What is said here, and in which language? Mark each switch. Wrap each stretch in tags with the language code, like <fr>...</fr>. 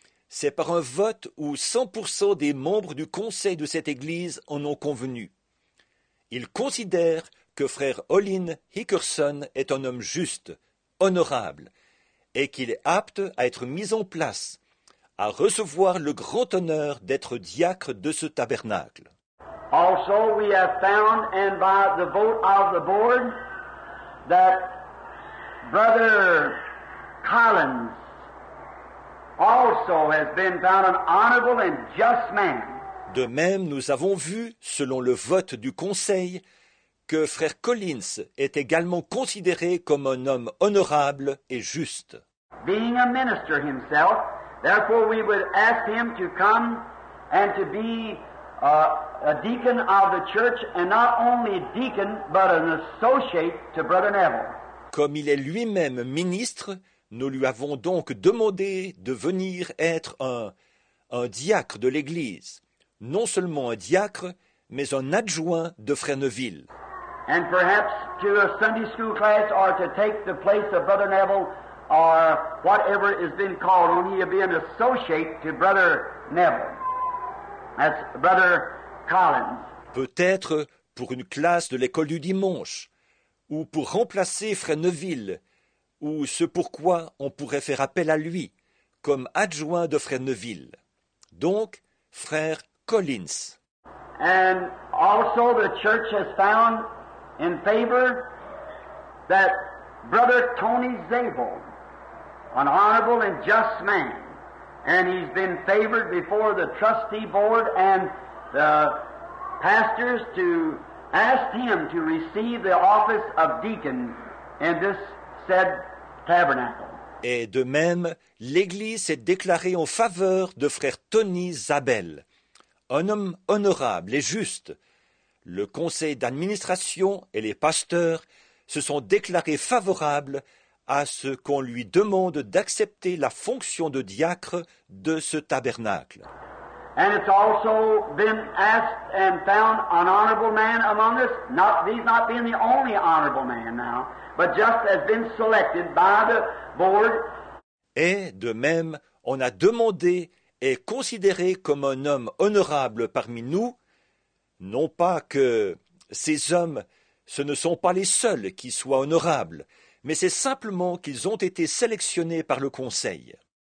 <fr>C'est par un vote où 100% des membres du conseil de cette église en ont convenu. Ils considèrent que frère Olin Hickerson est un homme juste, honorable, et qu'il est apte à être mis en place, à recevoir le grand honneur d'être diacre de ce tabernacle.</fr> <en>Also, we have found, and by the vote of the board, that Brother Collins also has been found an honorable and just man.</en> <fr>De même, nous avons vu, selon le vote du conseil, que frère Collins est également considéré comme un homme honorable et juste.</fr> <en>Being a minister himself, therefore we would ask him to come and to be a deacon of the church, and not only a deacon, but an associate to Brother Neville.</en> <fr>Comme il est lui-même ministre, nous lui avons donc demandé de venir être un diacre de l'Église, non seulement un diacre, mais un adjoint de Frère Neville.</fr> <en>And perhaps to a Sunday school class or to take the place of Brother Neville or whatever has been called, only to be an associate to Brother Neville. That's Brother Collins.</en> <fr>Peut-être pour une classe de l'école du dimanche, ou pour remplacer Frère Neville, ou ce pourquoi on pourrait faire appel à lui, comme adjoint de Frère Neville. Donc, Frère Collins.</fr> <en>And also the church has found in favor that Brother Tony Zabel, an honorable and just man, and he's been favored before the trustee board and the pastors to ask him to receive the office of deacon in this said tabernacle.</en> <fr>Et de même, l'Église s'est déclarée en faveur de frère Tony Zabel, un homme honorable et juste. Le conseil d'administration et les pasteurs se sont déclarés favorables à ce qu'on lui demande d'accepter la fonction de diacre de ce tabernacle.</fr> <en>And it's also been asked and found an honorable man among us, not these not being the only honorable man now, but just has been selected by the board.</en> <fr>Et de même, on a demandé et considéré comme un homme honorable parmi nous, non pas que ces hommes, ce ne sont pas les seuls qui soient honorables, mais c'est simplement qu'ils ont été sélectionnés par le conseil.</fr>